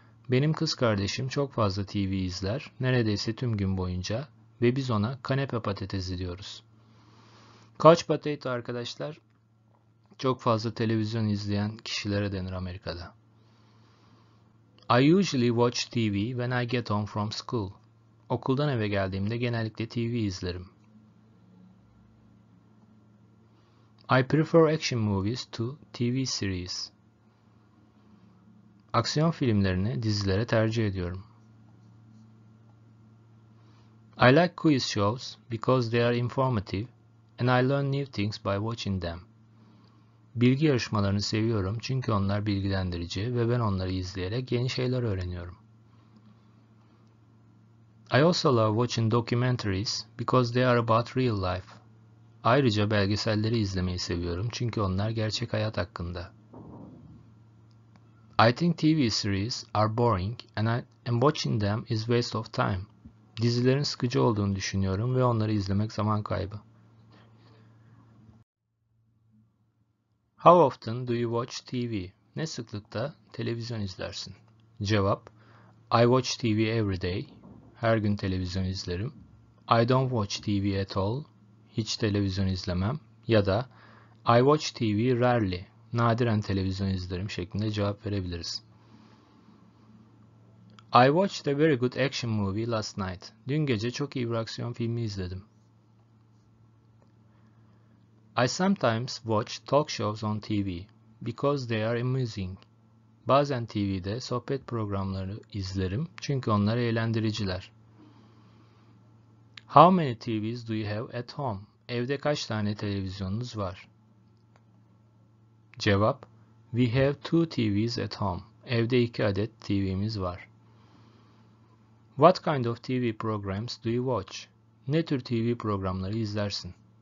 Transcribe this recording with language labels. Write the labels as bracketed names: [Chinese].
[Turkish] Benim kız kardeşim çok fazla TV izler, neredeyse tüm gün boyunca ve biz ona kanepe patatesi diyoruz. [English] Couch potato [Turkish] arkadaşlar, çok fazla televizyon izleyen kişilere denir Amerika'da. [English] I usually watch TV when I get home from school. [Turkish] Okuldan eve geldiğimde genellikle TV izlerim. [English] I prefer action movies to TV series. [Turkish] Aksiyon filmlerini dizilere tercih ediyorum. [English] I like quiz shows because they are informative. And I learn new things by watching them. [Turkish] Bilgi yarışmalarını seviyorum çünkü onlar bilgilendirici ve ben onları izleyerek yeni şeyler öğreniyorum. [English] I also love watching documentaries because they are about real life. [Turkish] Ayrıca belgeselleri izlemeyi seviyorum çünkü onlar gerçek hayat hakkında. [English] I think TV series are boring and watching them is waste of time. [Turkish] Dizilerin sıkıcı olduğunu düşünüyorum ve onları izlemek zaman kaybı. [English] How often do you watch TV? [Turkish] Ne sıklıkta televizyon izlersin? Cevap: [English] I watch TV every day. [Turkish] Her gün televizyon izlerim. [English] I don't watch TV at all. [Turkish] Hiç televizyon izlemem. Ya da [English] I watch TV rarely. [Turkish] Nadiren televizyon izlerim şeklinde cevap verebiliriz. [English] I watched a very good action movie last night. [Turkish] Dün gece çok iyi bir aksiyon filmi izledim. [English] I sometimes watch talk shows on TV because they are amusing. [Turkish] Bazen TV'de sohbet programları izlerim çünkü onlar eğlendiriciler. [English] How many TVs do you have at home? [Turkish] Evde kaç tane televizyonunuz var? Cevap: [English] We have two TVs at home. [Turkish] Evde iki adet TV'miz var. [English] What kind of TV programs do you watch? [Turkish] Ne tür TV programları izlersin?